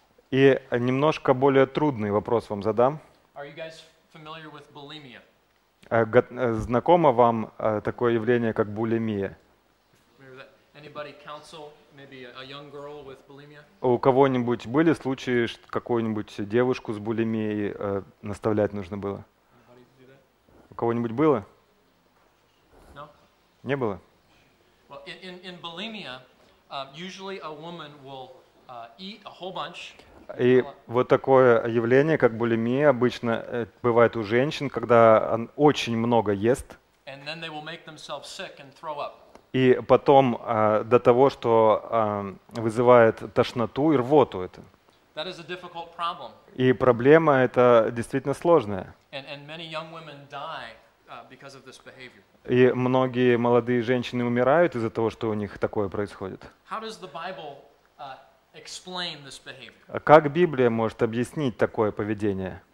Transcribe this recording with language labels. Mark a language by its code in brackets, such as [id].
[ru] И немножко более трудный вопрос вам задам. [en] Are you guys familiar with bulimia? [ru] Знакомо вам такое явление, как булимия? [en] Anybody counsel, maybe a young girl with bulimia? [ru] У кого-нибудь были случаи, что какую-нибудь девушку с булимией наставлять нужно было? У кого-нибудь было? [en] No? [ru] Не было? [en] Well, in bulimia, usually a woman will eat a whole bunch. [ru] И вот такое явление, как булимия, обычно бывает у женщин, когда он очень много ест. [en] And then they will make themselves sick and throw up. [ru] И потом до того, что вызывает тошноту и рвоту это. [en] That is a difficult problem. [ru] И проблема эта действительно сложная. [en] And many young women die, because of this behavior. [ru] И многие молодые женщины умирают из-за того, что у них такое происходит. [en] How does the Bible, explain this behavior? [ru] Как Библия может объяснить такое поведение?